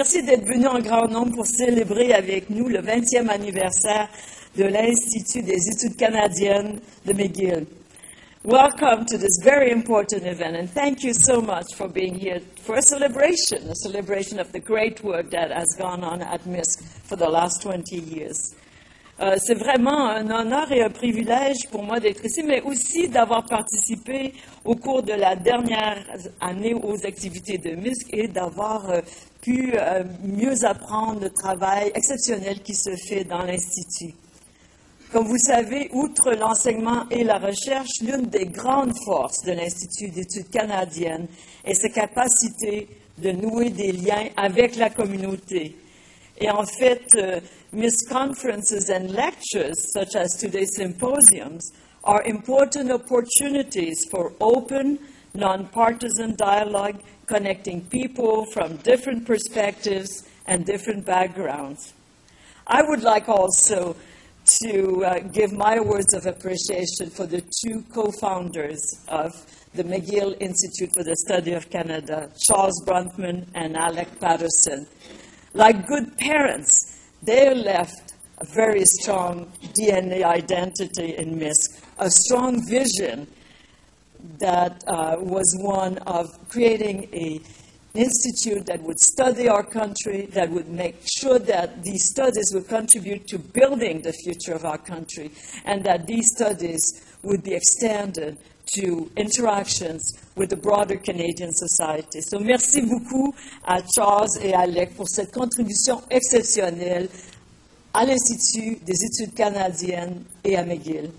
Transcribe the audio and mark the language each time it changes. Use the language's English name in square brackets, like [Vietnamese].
[French] Merci d'être venus en grand nombre pour célébrer avec nous le 20e anniversaire de l'Institut des études canadiennes de McGill. [English] Welcome to this very important event, and thank you so much for being here for a celebration of the great work that has gone on at MISC for the last 20 years. [French] C'est vraiment un honneur et un privilège pour moi d'être ici, mais aussi d'avoir participé au cours de la dernière année aux activités de MISC et d'avoir pu mieux apprendre le travail exceptionnel qui se fait dans l'Institut. Comme vous savez, outre l'enseignement et la recherche, l'une des grandes forces de l'Institut d'études canadiennes est sa capacité de nouer des liens avec la communauté. Et en fait, [English] MISC conferences and lectures, such as today's symposiums, are important opportunities for open, non-partisan dialogue connecting people from different perspectives and different backgrounds. I would like also to give my words of appreciation for the two co-founders of the McGill Institute for the Study of Canada, Charles Bruntman and Alec Patterson. Like good parents, they left a very strong DNA identity in MISC, a strong vision that was one of creating an institute that would study our country, that would make sure that these studies would contribute to building the future of our country, and that these studies would be extended to interactions with the broader Canadian society. [French] So, merci beaucoup à Charles et Alec pour cette contribution exceptionnelle à l'Institut des études canadiennes et à McGill.